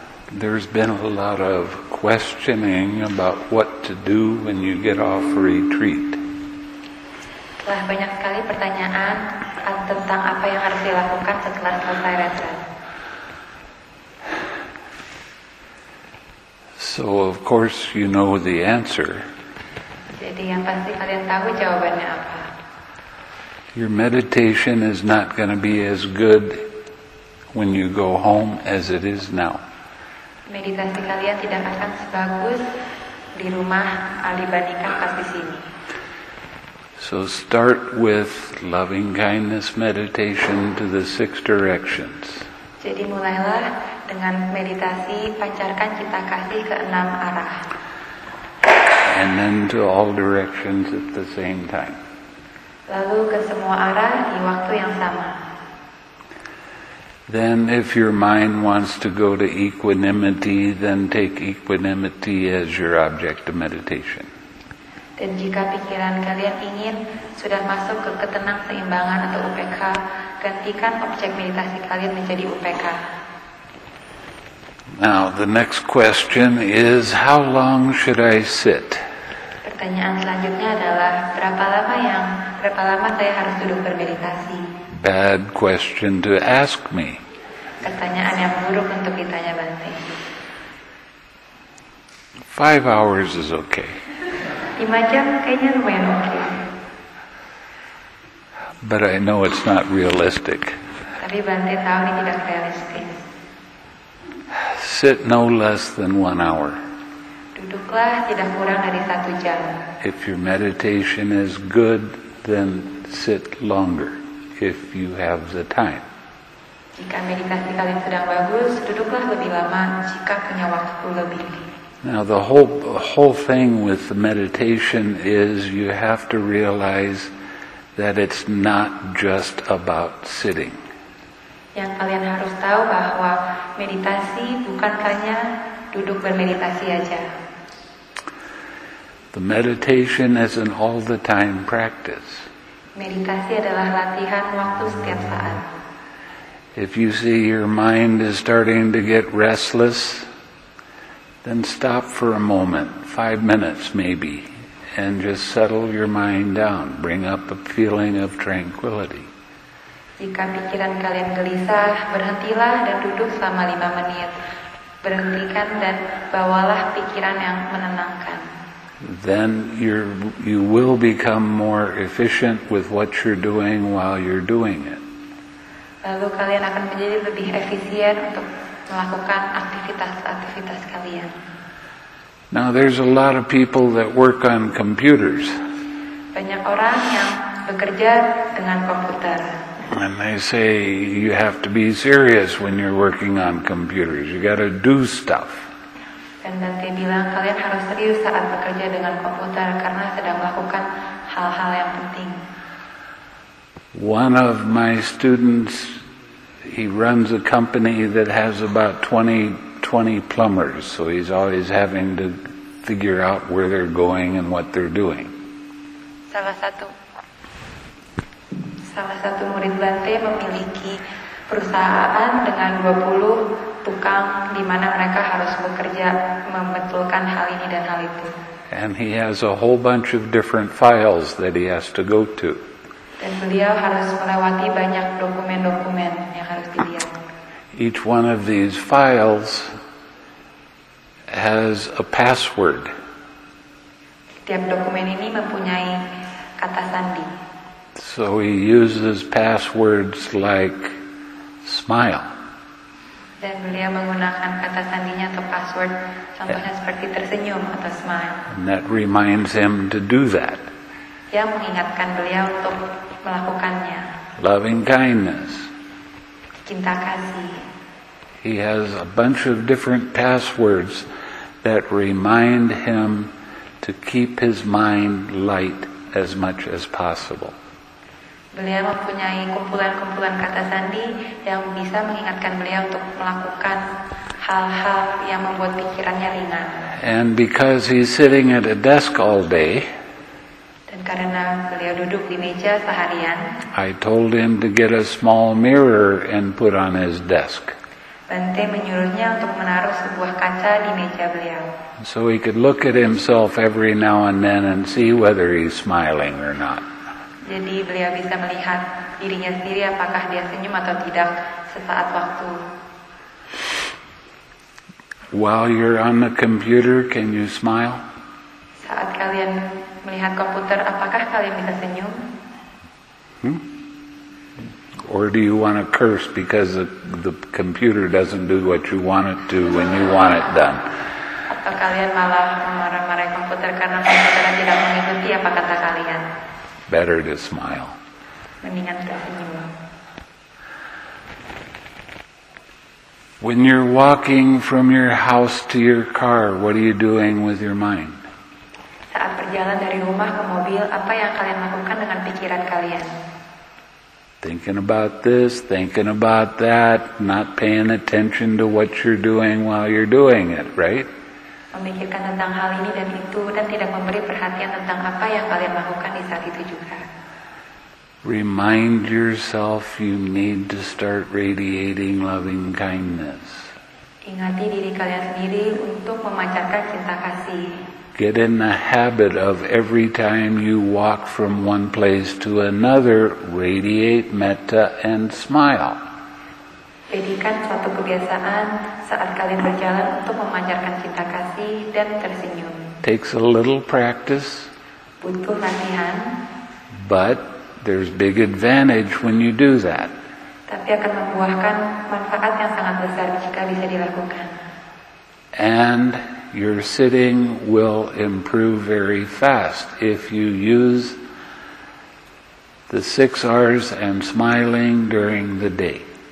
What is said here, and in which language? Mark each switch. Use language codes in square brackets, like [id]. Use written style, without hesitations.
[en] There's been a lot of questioning about what to do when you get off retreat. [id] Telah banyak sekali pertanyaan tentang apa yang harus dilakukan setelah selesai retreat. [en] So of course you know the answer. [id] Jadi yang pasti kalian tahu jawabannya apa. [en] Your meditation is not going to be as good when you go home as it is now. [id] Meditasi kalian tidak akan sebagus di rumah dibandingkan pas di sini. [en] So start with loving kindness meditation to the six directions. [id] Jadi mulailah dengan meditasi pancarkan cita kasih ke enam arah. [en] And then to all directions at the same time. [id] Lalu ke semua arah di waktu yang sama. [en] Then if your mind wants to go to equanimity, then take equanimity as your object of meditation. [id] Dan jika pikiran kalian ingin sudah masuk ke ketenangan seimbangan atau UPK, gantikan objek meditasi kalian menjadi UPK. [en] Now the next question is, how long should I sit? [id] Pertanyaan selanjutnya adalah, berapa lama saya harus duduk bermeditasi? [en] Bad question to ask me. [id] Pertanyaan yang buruk untuk ditanya Bante. [en] 5 hours is okay. [id] 5 jam kayaknya lumayan okay. [en] But I know it's not realistic. [id] Tapi Bante tahu ini tidak realistis. [en] Sit no less than 1 hour. [id] Duduklah tidak kurang dari 1 jam. [en] If your meditation is good, then sit longer. If you have the time. [id] Jika meditasi kalian sedang bagus, duduklah lebih lama jika punya waktu lebih. [en] Now the whole thing with the meditation is you have to realize that it's not just about sitting. [id] Yang kalian harus tahu bahwa meditasi bukan hanya duduk bermeditasi aja. [en] The meditation is an all the time practice. [id] Meditasi adalah latihan waktu setiap saat. [en] If you see your mind is starting to get restless, then stop for a moment, 5 minutes maybe, and just settle your mind down. Bring up a feeling of tranquility. [id] Jika pikiran kalian gelisah, berhentilah dan duduk selama 5 menit. Berhentikan dan bawalah pikiran yang menenangkan. [en] Then you will become more efficient with what you're doing while you're doing it. [id] Lalu kalian akan menjadi lebih efisien untuk melakukan aktivitas-aktivitas kalian. [en] Now there's a lot of people that work on computers. [id] Banyak orang yang bekerja dengan komputer. [en] And they say you have to be serious when you're working on computers. You got to do stuff. [id] Dan Dante bilang kalian harus serius saat bekerja dengan komputer karena sedang melakukan hal-hal yang penting. [en] One of my students, he runs a company that has about 20 plumbers, so he's always having to figure out where they're going and what they're doing. [id] Salah satu murid Dante memiliki perusahaan dengan 20 tukang di mana mereka harus bekerja membetulkan hal ini dan hal itu. [en] And he has a whole bunch of different files that he has to go to. [id] Dan beliau harus melewati banyak dokumen-dokumen yang harus dilihat. [en] Each one of these files has a password. [id] Setiap dokumen ini mempunyai kata sandi. [en] So he uses passwords like smile. [id] Dan beliau menggunakan kata sandinya atau password, contohnya seperti tersenyum atau smile. [en] And that reminds him to do that. [id] Yang mengingatkan beliau untuk melakukannya. [en] Loving kindness. [id] Cinta kasih. [en] He has a bunch of different passwords that remind him to keep his mind light as much as possible. [id] Beliau mempunyai kumpulan-kumpulan kata sandi yang bisa mengingatkan beliau untuk melakukan hal-hal yang membuat pikirannya ringan. [en] And because he's sitting at a desk all day, [id] dan karena beliau duduk di meja seharian, [en] I told him to get a small mirror and put on his desk. [id] Bante menyuruhnya untuk menaruh sebuah kaca di meja beliau. [en] So he could look at himself every now and then and see whether he's smiling or not. [id] Jadi beliau bisa melihat dirinya sendiri apakah dia senyum atau tidak sesaat waktu. [en] While you're on the computer, can you smile? [id] Saat kalian melihat komputer, apakah kalian bisa senyum? [en] Or do you want to curse because the computer doesn't do what you want it to when you want it done? [id] Atau kalian malah memarahi komputer karena komputer tidak mengikuti apa kata kalian? [en] Better to smile. [id] Mendingan tidak senyum. [en] When you're walking from your house to your car, what are you doing with your mind? [id] Saat berjalan dari rumah ke mobil, apa yang kalian lakukan dengan pikiran kalian? [en] Thinking about this, thinking about that, not paying attention to what you're doing while you're doing it, right? [id] Memikirkan tentang hal ini dan itu dan tidak memberi perhatian tentang apa yang kalian lakukan di saat itu juga. [en] Remind yourself you need to start radiating loving kindness. [id] Ingati diri kalian sendiri untuk memancarkan cinta kasih. [en] Get in the habit of every time you walk from one place to another, radiate metta and smile. [id] Jadikan suatu kebiasaan saat kalian berjalan untuk memancarkan cinta kasih dan tersenyum. [en] Takes a little practice. [id] Butuh latihan. [en] But there's big advantage when you do that. [id] Tapi akan membuahkan manfaat yang sangat besar jika bisa dilakukan. [en] And your sitting will improve very fast if you use the 6 hours and smiling during the day.